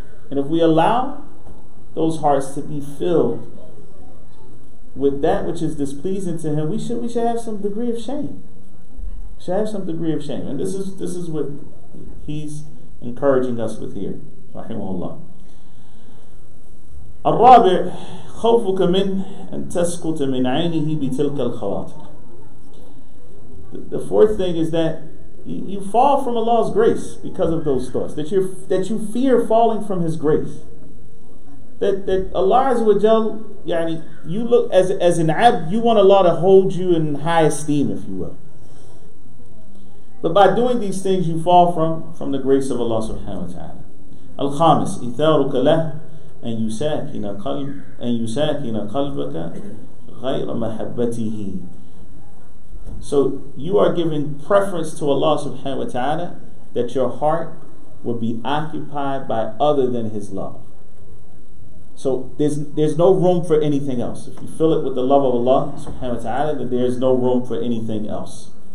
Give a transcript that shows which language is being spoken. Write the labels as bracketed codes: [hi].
[en] And if we allow those hearts to be filled with that which is displeasing to Him, we should have some degree of shame. We should have some degree of shame. And this is what He's encouraging us with here, rahimahullah. Al-Rabi' [ar] خوفك من أن تسقط من عينه بتلك الخواطر. [en] The fourth thing is that you fall from Allah's grace because of those thoughts. That you fear falling from His grace. That Allah Azza wa Jal, يعني, you look as an abd, you want Allah to hold you in high esteem, if you will. But by doing these things, you fall from the grace of Allah subhanahu wa ta'ala. [ar] Al-Khamis, إثارك له أن يساكن قلبك غير محبته. [en] So you are giving preference to Allah subhanahu wa ta'ala that your heart will be occupied by other than His love. So there's no room for anything else. If you fill it with the love of Allah subhanahu wa ta'ala, then there's no room for anything else.